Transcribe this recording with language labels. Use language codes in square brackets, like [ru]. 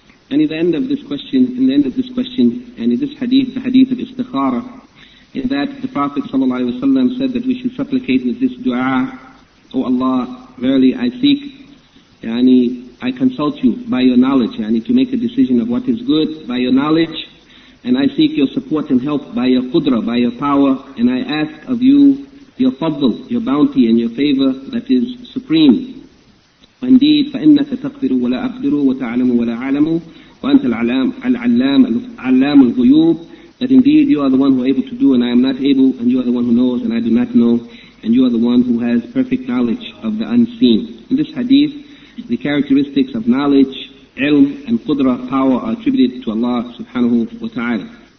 [en] And at the end of this question, and in this hadith, the hadith of istikhara, in that the Prophet ﷺ said that we should supplicate with this dua, O Allah, verily I seek, I consult you by your knowledge, to make a decision of what is good by your knowledge, and I seek your support and help by your qudra, by your power, and I ask of you your fadl, your bounty and your favor that is supreme. Indeed, [ar] فَإِنَّكَ تَقْدِرُ وَلَا أَقْدِرُ وَتَعْلَمُ وَلَا عَلَمُ وَأَنْتَ الْعَلَّامُ الْغُيُوبُ. [en] That indeed you are the one who are able to do and I am not able, and you are the one who knows and I do not know, and you are the one who has perfect knowledge of the unseen. In this hadith, the characteristics of knowledge, ilm, and qudra, power, are attributed to Allah subhanahu wa ta'ala.